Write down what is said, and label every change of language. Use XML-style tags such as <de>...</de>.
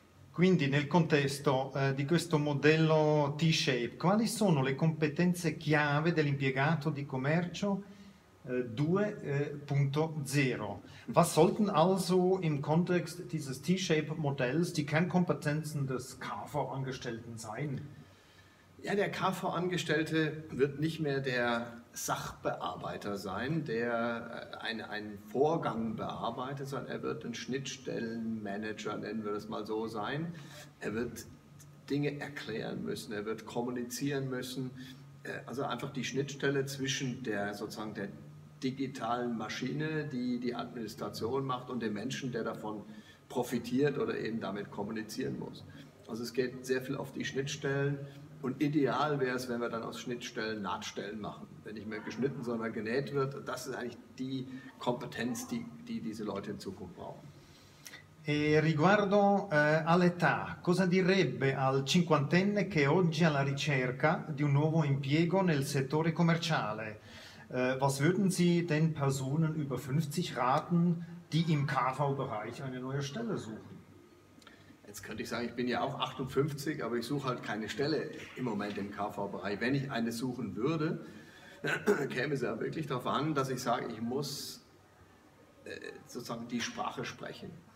<it>Quindi nel contesto di questo modello T-Shape, quali sono le competenze chiave dell'impiegato di commercio 2.0.</it> <de>Was sollten also im Kontext dieses T-Shape-Modells die Kernkompetenzen des KV-Angestellten sein? Ja, der KV-Angestellte wird nicht mehr der Sachbearbeiter sein, der einen Vorgang bearbeitet, sondern er wird ein Schnittstellenmanager, nennen wir das mal so, sein. Er wird Dinge erklären müssen, er wird kommunizieren müssen. Also einfach die Schnittstelle zwischen der sozusagen der digitalen Maschine, die Administration macht und dem Menschen, der davon profitiert oder eben damit kommunizieren muss. Also es geht sehr viel auf die Schnittstellen und ideal wäre es, wenn wir dann aus Schnittstellen Nahtstellen machen. Wenn nicht mehr geschnitten, sondern genäht wird. Das ist eigentlich die Kompetenz, die diese Leute in Zukunft brauchen.</de> <it>E riguardo all'età, cosa direbbe al cinquantenne che oggi alla ricerca di un nuovo impiego nel settore commerciale?</it> <de>Was würden Sie denn Personen über 50 raten, die im KV-Bereich eine neue Stelle suchen? Jetzt könnte ich sagen, ich bin ja auch 58, aber ich suche halt keine Stelle im Moment im KV-Bereich. Wenn ich eine suchen würde, käme es ja wirklich darauf an, dass ich sage, ich muss sozusagen die Sprache sprechen.</de>